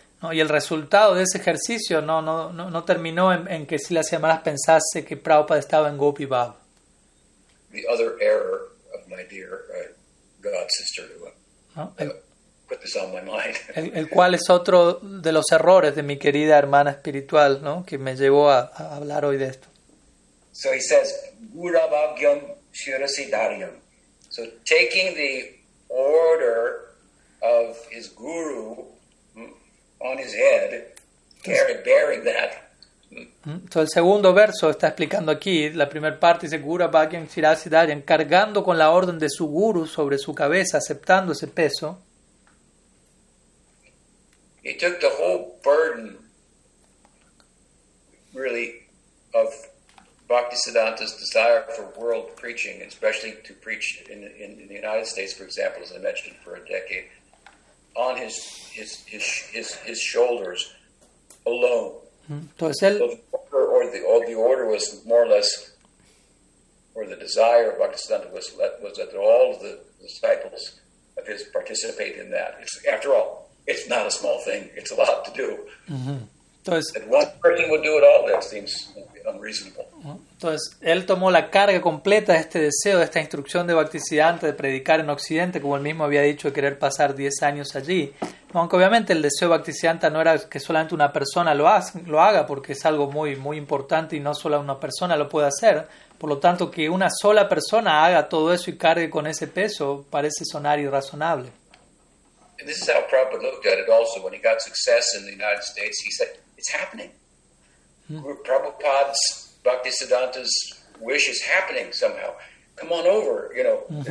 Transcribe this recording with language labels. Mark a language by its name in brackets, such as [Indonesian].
[Spanish] No, y el resultado de ese ejercicio no terminó en que si las llamadas pensase que Prabhupada estaba en gopi bhav. [English] The other error of my dear god sister put this on my mind. [Spanish] El cual es otro de los errores de mi querida hermana espiritual, ¿no? Que me llevó a hablar hoy de esto. [English] So he says, Gurabhagyam Shirasidaryam. So taking the order of his guru on his head, bearing that. [Spanish] Entonces el segundo verso está explicando aquí, la primera parte dice, Gurabhagyam Shirasidaryam, cargando con la orden de su guru sobre su cabeza, aceptando ese peso. [English] He took the whole burden, really, of Bhaktisiddhanta's desire for world preaching, especially to preach in the United States, for example, as I mentioned, for a decade, on his shoulders alone. [Spanish] Entonces él, [English] the order was more or less, or the desire of Bhaktisiddhanta was that all of the disciples of his participate in that. After all, it's not a small thing. It's a lot to do. [Spanish] Entonces, [English] that one person would do it all, that seems unreasonable. [Spanish] Entonces, él tomó la carga completa de este deseo, de esta instrucción de Bhaktisiddhanta de predicar en Occidente, como él mismo había dicho, de querer pasar 10 años allí. Aunque obviamente el deseo de Bhaktisiddhanta no era que solamente una persona lo haga, porque es algo muy, muy importante y no solo una persona lo puede hacer. Por lo tanto, que una sola persona haga todo eso y cargue con ese peso parece sonar irrazonable. [English] And this is how Prabhupada looked at it also. When he got success in the United States, he said, it's happening. Prabhupada's, Bhaktisiddhanta's wish is happening somehow. Come on over, you know.